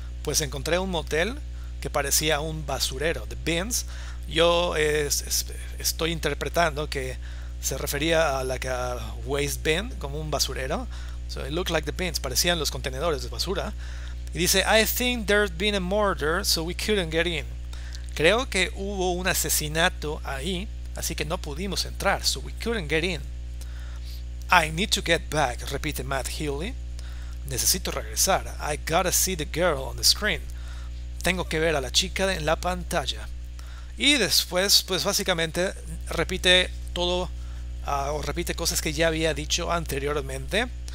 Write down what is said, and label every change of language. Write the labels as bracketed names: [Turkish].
[Spanish] Pues encontré un motel que parecía un basurero. [English] The bins. [Spanish] Yo estoy interpretando que se refería a [English] like a waste bin, [Spanish] como un basurero. [English] So it looked like the bins, [Spanish] parecían los contenedores de basura. Y dice, [English] I think there's been a murder, so we couldn't get in. [Spanish] Creo que hubo un asesinato ahí, así que no pudimos entrar. [English] So we couldn't get in. I need to get back, [Spanish] repite [English] Matt Healy. [Spanish] Necesito regresar. [English] I gotta see the girl on the screen. [Spanish] Tengo que ver a la chica en la pantalla. Y después, pues básicamente, repite todo, o repite cosas que ya había dicho anteriormente.